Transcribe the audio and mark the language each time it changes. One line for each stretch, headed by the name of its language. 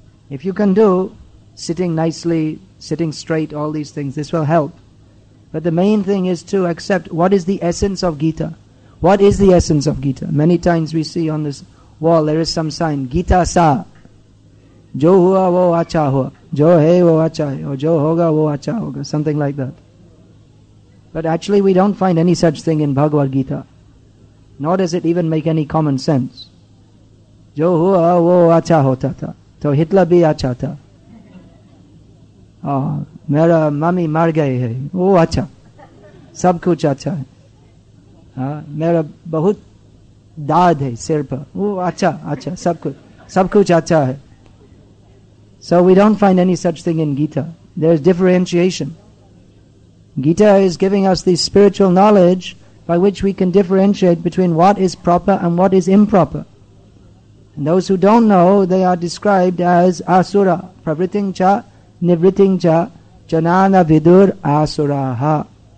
English: If you can do sitting nicely, sitting straight, all these things, this will help. But the main thing is to accept, what is the essence of Gita? What is the essence of Gita? Many times we see on this wall, there is some sign, Gita sa.
Hindi: जो हुआ वो अच्छा हुआ. जो है वो अच्छा है. और जो होगा वो अच्छा होगा.
English: Something like that. But actually we don't find any such thing in Bhagavad Gita. Nor does it even make any common sense.
Hindi: जो हुआ वो अच्छा होता ता. तो हिटला भी अच्छा ता. ओह, मेरा मामी मर गए है. ओह, अच्छा. सब कुछ अच्छा है. मेरा बहुत दाद है सिर पा. ओह, अच्छा, अच्छा. सब कुछ अच्छा है.
English: So we don't find any such thing in Gita. There's differentiation. Gita is giving us the spiritual knowledge by which we can differentiate between what is proper and what is improper. And those who don't know, they are described as asura,
Sanskrit: pravritting cha, nivritting cha, janana vidur asuraha.